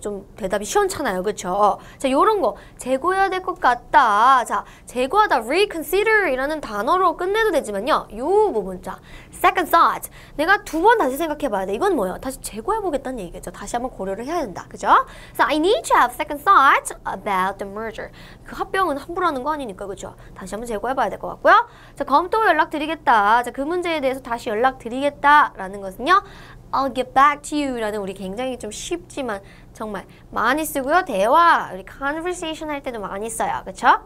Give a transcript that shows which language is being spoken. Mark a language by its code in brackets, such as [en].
[ko] 좀 대답이 시원찮아요, 그렇죠? 자, 이런 거 재고해야 될 것 같다. 자, 재고하다 reconsider이라는 단어로 끝내도 되지만요. 이 부분, 자, second thought. 내가 두 번 다시 생각해봐야 돼. 이건 뭐예요? 다시 재고해보겠다는 얘기겠죠. 다시 한번 고려를 해야 된다, 그렇죠? [en] So I need to have second thought about the merger. [ko] 그 합병은 함부로 하는 거 아니니까, 그렇죠? 다시 한번 재고해봐야 될 것 같고요. 자, 검토 연락드리겠다. 자, 그 문제에 대해서 다시 연락드리겠다라는 것은요. [en] I'll get back to you [ko] 라는 우리 굉장히 좀 쉽지만 정말 많이 쓰고요. 대화, 우리 conversation 할 때도 많이 써요. 그렇죠?